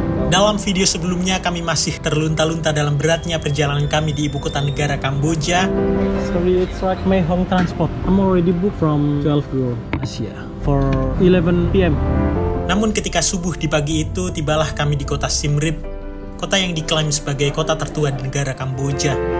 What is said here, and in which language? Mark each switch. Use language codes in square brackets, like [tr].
[id] Dalam video sebelumnya kami masih terlunta-lunta dalam beratnya perjalanan kami di ibu kota negara Kamboja. [en] Sorry, it's like my home transport. I'm already booked from 12 euro Asia for 11 p.m. [id] Namun ketika subuh di pagi itu, tibalah kami di kota Siem Reap, kota yang diklaim sebagai kota tertua di negara Kamboja.